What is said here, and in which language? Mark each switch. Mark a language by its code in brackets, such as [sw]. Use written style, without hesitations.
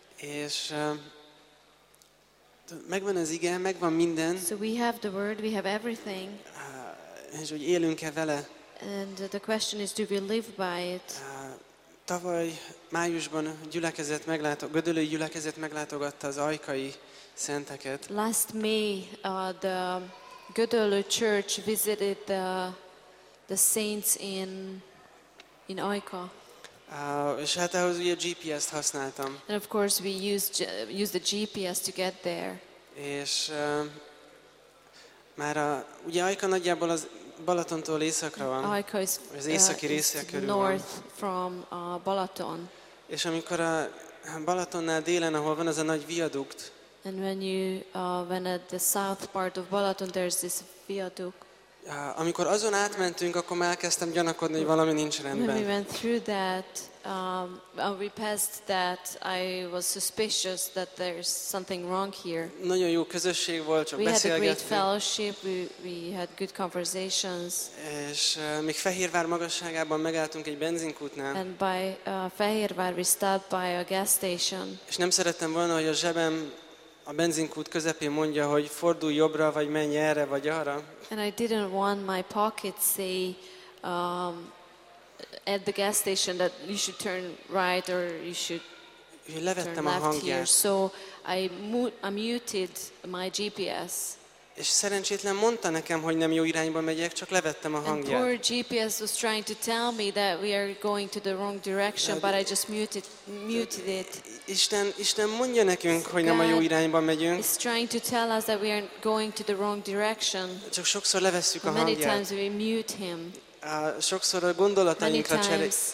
[hu] És megvan az ige, megvan minden. [en] So we have the word, we have everything. [hu] És hogy élünk-e vele. [en] And the question is, do we live by it? [hu] Tavaly májusban Gödöllői gyülekezet meglátogatta az ajkai szenteket. [en] Last May, the Gödöllő church visited the saints in Ajka. [hu] És hát ahhoz ugye a GPS-t használtam. [en] And of course we used the GPS to get there. [hu] És már a, ugye Ajka nagyjából az Balatontól északra van. [en] Ajka is, [hu] az északi része körül van. [en] North from Balaton. [hu] És amikor a Balatonnál délen, ahol van az a nagy viadukt. [en] And when you when at the south part of Balaton there's this viaduct. [hu] Amikor azon átmentünk, akkor már elkezdtem gyanakodni, hogy valami nincs rendben. [en] When we went through that, we passed that, I was suspicious that there's something wrong here. [hu] Nagyon jó közösség volt, csak [en] we [hu] beszélgettünk. [en] We had a great fellowship, we had good conversations. [hu] És még Fehérvár magasságában megálltunk egy benzinkútnál. [en] And by Fehérvár we stopped by a gas station. [hu] És nem szerettem volna, hogy a zsebem a benzinkút közepén mondja, hogy fordulj jobbra, vagy menj erre, vagy arra. [en] And I didn't want my pocket say at the gas station that you should turn right or you should turn left here. So I muted my GPS. [hu] És szerencsétlen mondta nekem, hogy nem jó irányba megyek, csak levettem a hangját. [en] And poor GPS was trying to tell me that we are going to the wrong direction, but I just muted it. [hu] Isten mondja nekünk, hogy nem a jó irányba megyünk. [en] He's trying to tell us that we are going to the wrong direction. [hu] Csak sokszor levesszük a hangját. [en] Many times we mute him. [hu] Sokszor a gondolatainkra cserél.